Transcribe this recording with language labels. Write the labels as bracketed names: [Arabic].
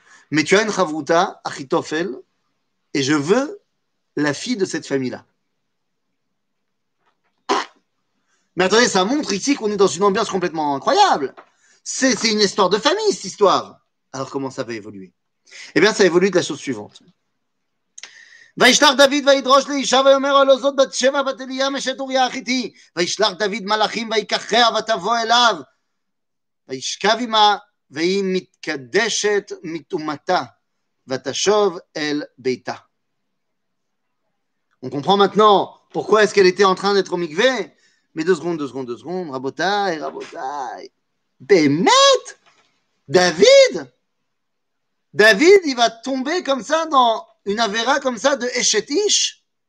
[French] Mais tu as une Chavruta, Achitophel, et je veux la fille de cette famille-là. Mais attendez, ça montre ici qu'on est dans une ambiance complètement incroyable. C'est une histoire de famille, cette histoire. Alors, comment ça va évoluer ? Eh bien, ça évolue de la chose suivante. [Hebrew] וישלח דוד וידרוש לאישה ויאמר לו זאת בת שבע בת אליהם אשת אוריה אחיתי וישלח דוד מלאכים ויקחיה ותבוא אליו וישכב עמה והיא מתקדשת מטומאתה ותשוב אל ביתה. [French] On comprend maintenant pourquoi est-ce qu'elle était en train d'être au מקווה. Mais deux secondes, [Hebrew] רבותיי, באמת? [French] דוד, il va tomber comme ça dans une avéra comme ça de Eshetish.